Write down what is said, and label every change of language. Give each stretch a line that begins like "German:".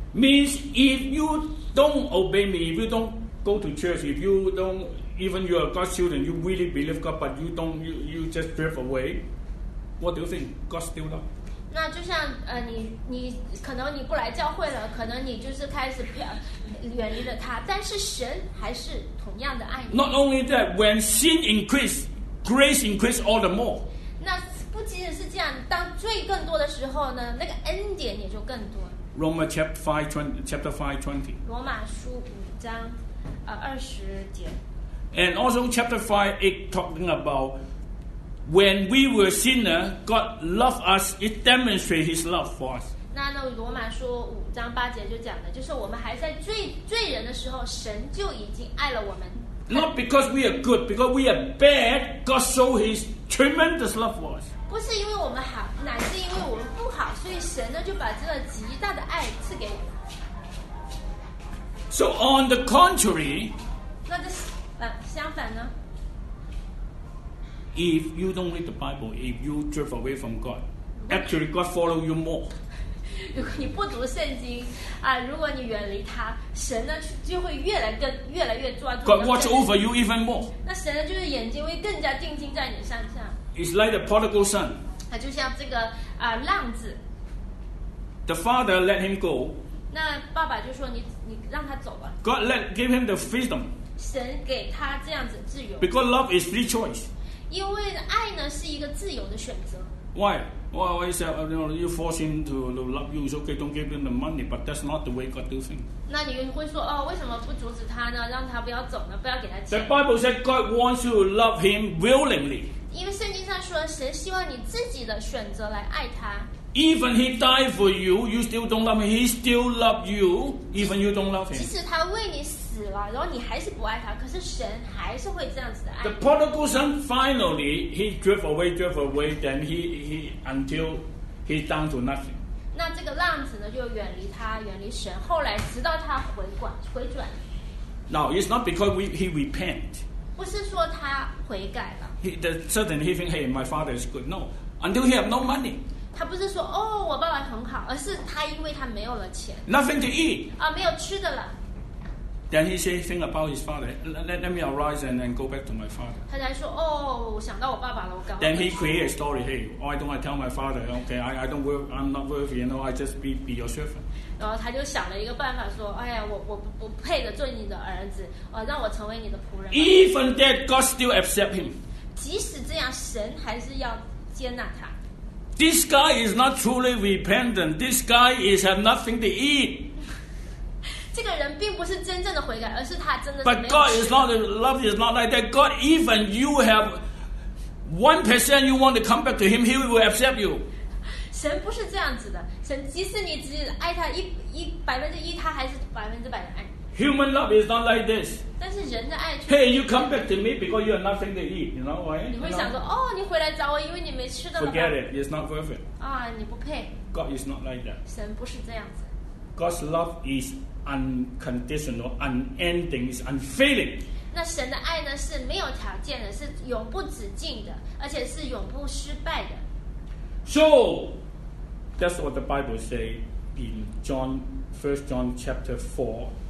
English: Means if you don't obey me, if you don't go to church, if you don't even you are God's children, you really believe God, but you don't you just drift away. What do you think? God still love?
Chinese: 那就像你可能你不来教会了，可能你就是开始远离了他，但是神还是同样的爱你。
English: Not only that, when sin increase, grace increase all the more.
Chinese: 那不仅仅是这样，当罪更多的时候呢，那个恩典也就更多。
English: Romans chapter 5:20.
Chinese: 罗马书五章二十节。
English: And also chapter 5:8 talking about. When we were sinners, God loved us. It demonstrated His love for us.
Chinese: 那罗马书五章八节就讲的，就是我们还在罪人的时候，神就已经爱了我们。
English: Not because we are good, because we are bad, God showed His tremendous love for us.
Chinese: 不是因为我们好，乃是因为我们不好，所以神呢就把这个极大的爱赐给我们。
English: So on the contrary,
Chinese: 那这相反呢？
English: If you don't read the Bible, if you drift away from God, actually God follow you more.
Chinese: 如果你不读圣经啊，如果你远离他，神呢就会越来越抓住。
English: God watch over you even more.
Chinese: 那神呢就是眼睛会更加定睛在你身上。
English: It's like the prodigal son.
Chinese: 他就像这个浪子。
English: The father let him go.
Chinese: 那爸爸就说你让他走吧。
English: God gave him the freedom.
Chinese: 神给他这样子自由。
English: Because love is free choice.
Chinese: 因为爱呢是一个自由的选择。
English: Why? Well, you say, you know, you force him to love you. It's okay, don't give him the money, but that's not the way God do things.
Chinese: 那你会说，哦，为什么不阻止他呢？让他不要走呢？不要给他钱。
English: The Bible said God wants you to love him willingly.
Chinese: 因为圣经上说，神希望你自己的选择来爱他。
English: Even he died for you, you still don't love him. He still loves you, even you don't love him.
Chinese: 即使他为你死了，然后你还是不爱他，可是神还是会这样子的爱。
English: The prodigal son finally he drift away, then he until he's down to nothing.
Chinese: 那这个浪子呢，就远离他，远离神。后来直到他回转。
English: Now it's not because he repent.
Chinese: 不是说他悔改了。
English: Suddenly he think, hey, my father is good. No, until he have no money.
Chinese: 他不是说哦，我爸爸很好，而是他因为他没有了钱
English: ，nothing to eat
Chinese: 啊，没有吃的了。
English: Then he say think about his father. Let me arise and then go back to my father.
Chinese: 他才说哦，我想到我爸爸了，我刚。
English: Then he create a story. Hey, why don't I tell my father? Okay, I don't worth. I'm not worthy. You know, I just be your servant.
Chinese: 然后他就想了一个办法，说哎呀，我配得做你的儿子，哦，让我成为你的仆人。
English: Even that, God still accept him.
Chinese: 即使这样，神还是要接纳他。
English: This guy is not truly repentant. This guy is have nothing to eat.
Chinese: 这个人并不是真正的悔改，而是他真的。
English: But God is not love is not like that. God, even you have 1%, you want to come back to Him, He will accept you.
Chinese: 神不是这样子的。神即使你只爱他1%，他还是100%的爱。
English: Human love is not like this.
Chinese: 但是人的爱却。
English: Hey, you come back to me because you have nothing to eat. You know why?
Chinese: 你会想说，哦，你回来找我，因为你没吃的。
English: Forget it. It's not worth it.
Chinese: 啊，你不配。
English: God is not like that.
Chinese: 神不是这样子。
English: God's love is unconditional, unending, is unfailing.
Chinese: 那神的爱呢，是没有条件的，是永不止境的，而且是永不失败的。
English: So, that's what the Bible say in John, 1 John chapter 4.